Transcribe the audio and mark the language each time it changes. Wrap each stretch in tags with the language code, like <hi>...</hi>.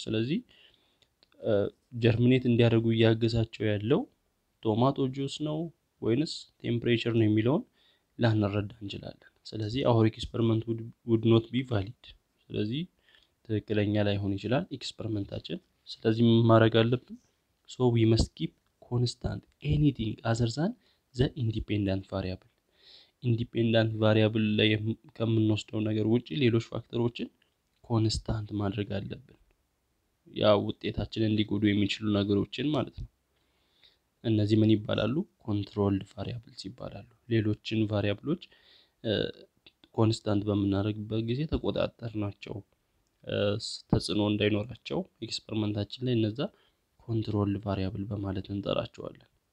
<am>ስለዚህ ጀርሚኔት እንዲያደርጉ እያገዛቸው ያለው ቶማቶ ጁስ ነው ወይንስ ቴምፕሬቸር ነው የሚለውን ላንረዳ እንችላለን። ስለዚህ</am> <en>our experiment would not be valid.</en> <am>ስለዚህ ትክክለኛ ላይሆን ይችላል ኤክስፐሪመንታችን። ስለዚህ ምን ማድረግ አለብን?</am> <en>So we must keep constant anything other than the independent variable.</en> <am>ኢንዲፔንደንት ቫሪያብል ላይ ከምንወስደው ነገር ውጪ ሌሎች ፋክተሮችን ኮንስታንት ማድረግ አለብን። ያ ውጤታችንን እንዲጎዱ የሚችሉ ነገሮችን ማለት ነው። እነዚህ ምን ይባላሉ? ኮንትሮልድ ቫሪያብልስ ይባላሉ። ሌሎችን ቫሪያብሎች ኮንስታንት በመናረግበት ጊዜ ተቆጣጠርናቸው ተጽዕኖ እንዳይኖራቸው ኤክስፐሪመንታችን ላይ እነዛ ኮንትሮልድ ቫሪያብል በማለት እንጠራቸዋለን።</am>